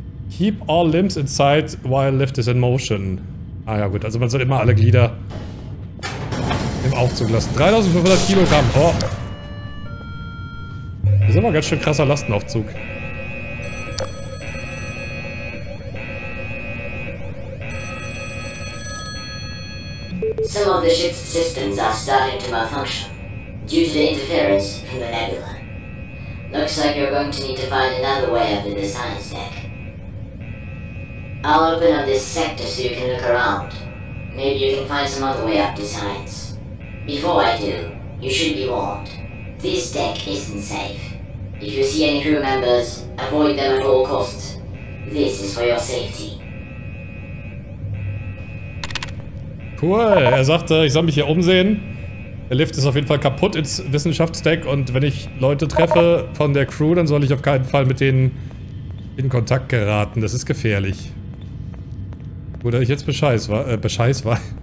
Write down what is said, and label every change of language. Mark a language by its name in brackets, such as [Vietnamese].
[English] Keep all limbs inside while lift is in motion. [German] Ah ja gut, also man soll immer alle Glieder im Aufzug lassen. 3500 Kilogramm. Oh. Das ist aber ein ganz schön krasser Lastenaufzug. [English] Some of the ship's systems are starting to malfunction due to the interference from the nebula. Looks like you're going to need to find another way up in the science deck. I'll open up this sector so you can look around. Maybe you can find some other way up to science. Before I do, you should be warned. This deck isn't safe. If you see any crew members, avoid them at all costs. This is for your safety. [German] Cool, er sagte, ich soll mich hier umsehen. Der Lift ist auf jeden Fall kaputt ins Wissenschaftsdeck und wenn ich Leute treffe von der Crew, dann soll ich auf keinen Fall mit denen in Kontakt geraten. Das ist gefährlich. Oder ich jetzt Bescheid war. Bescheid war.